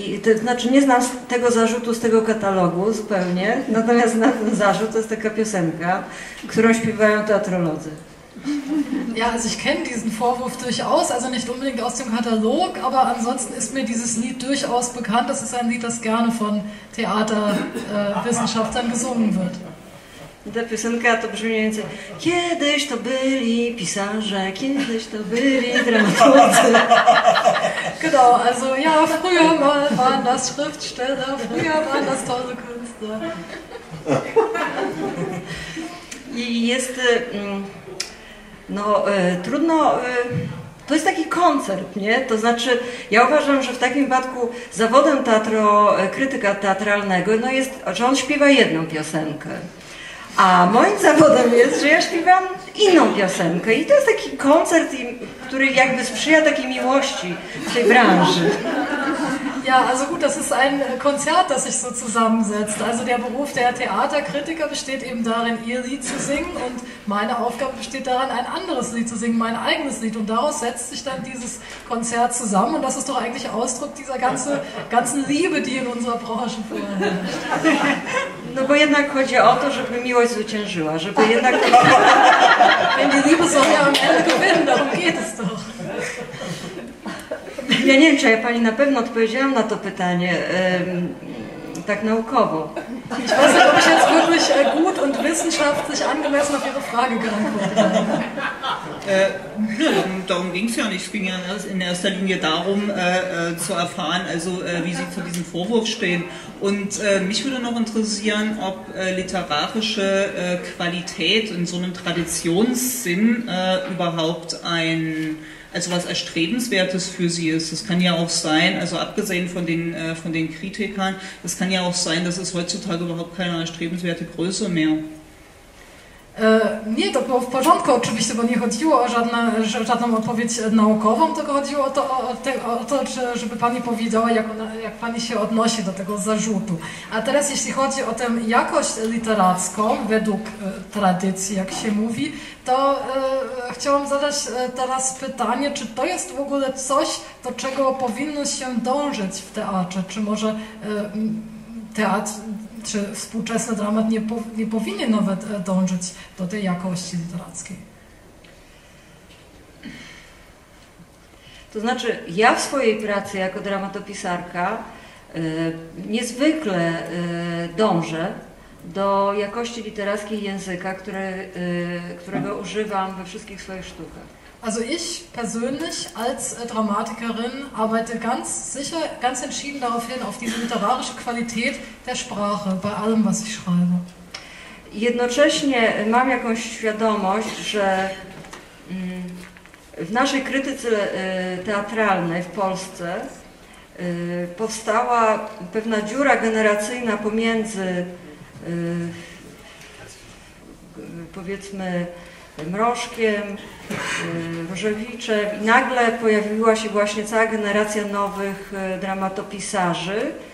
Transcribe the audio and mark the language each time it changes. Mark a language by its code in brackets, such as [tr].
[pl] To znaczy, nie znam tego zarzutu z tego katalogu zupełnie, natomiast znam ten zarzut, to jest taka piosenka, którą śpiewają teatrolodzy. [de] Ja, also ich kenne diesen Vorwurf durchaus, also nicht unbedingt aus dem Katalog, aber ansonsten ist mir dieses Lied durchaus bekannt. Das ist ein Lied, das gerne von Theaterwissenschaftlern gesungen wird. [pl] Ta piosenka to brzmi mniej więcej: kiedyś to byli pisarze, kiedyś to byli dramaturzy. [de] Genau, also ja, früher mal waren das Schriftsteller, früher waren das tolle Künstler. [pl] I jest... No trudno, to jest taki koncert, nie? To znaczy, ja uważam, że w takim wypadku zawodem krytyka teatralnego no jest, że on śpiewa jedną piosenkę, a moim zawodem jest, że ja śpiewam inną piosenkę i to jest taki koncert, który jakby sprzyja takiej miłości w tej branży. [de] Ja, also gut, das ist ein Konzert, das sich so zusammensetzt. Also der Beruf der Theaterkritiker besteht eben darin, ihr Lied zu singen und meine Aufgabe besteht darin, ein anderes Lied zu singen, mein eigenes Lied. Und daraus setzt sich dann dieses Konzert zusammen und das ist doch eigentlich Ausdruck dieser ganzen Liebe, die in unserer Branche vorherrscht. [pl] No bo jednak chodzi o to, żeby miłość zwyciężyła, żeby jednak... [de] Wenn die Liebe soll ja am Ende gewinnen, darum geht es doch. [pl] Ja nie wiem, czy ja Pani na pewno odpowiedziałam na to pytanie, tak naukowo. [de] Ich weiß nicht, ob ich jetzt wirklich gut und wissenschaftlich angemessen auf Ihre Frage geantwortet habe. Darum ging es ja nicht. Es ging ja in erster Linie darum, zu erfahren, also wie Sie zu diesem Vorwurf stehen. Und mich würde noch interessieren, ob literarische Qualität in so einem Traditionssinn überhaupt ein... Also was Erstrebenswertes für Sie ist, das kann ja auch sein, also abgesehen von den Kritikern, das kann ja auch sein, dass es heutzutage überhaupt keine erstrebenswerte Größe mehr. [pl] Nie, to było w porządku oczywiście, bo nie chodziło o żadną odpowiedź naukową, tylko chodziło o to, żeby pani powiedziała, jak pani się odnosi do tego zarzutu. A teraz jeśli chodzi o tę jakość literacką, według tradycji, jak się mówi, to chciałam zadać teraz pytanie, czy to jest w ogóle coś, do czego powinno się dążyć w teatrze, czy może teatr... Czy współczesny dramat nie powinien nawet dążyć do tej jakości literackiej? To znaczy, ja w swojej pracy jako dramatopisarka niezwykle dążę do jakości literackiej języka, którego używam we wszystkich swoich sztukach. [de] Also ich persönlich als Dramatikerin arbeite ganz sicher, ganz entschieden darauf hin, auf diese literarische Qualität der Sprache bei allem, was ich schreibe. [pl] Jednocześnie mam jakąś świadomość, że w naszej krytyce teatralnej w Polsce powstała pewna dziura generacyjna pomiędzy, powiedzmy, Mrożkiem, Różewiczem, i nagle pojawiła się właśnie cała generacja nowych dramatopisarzy.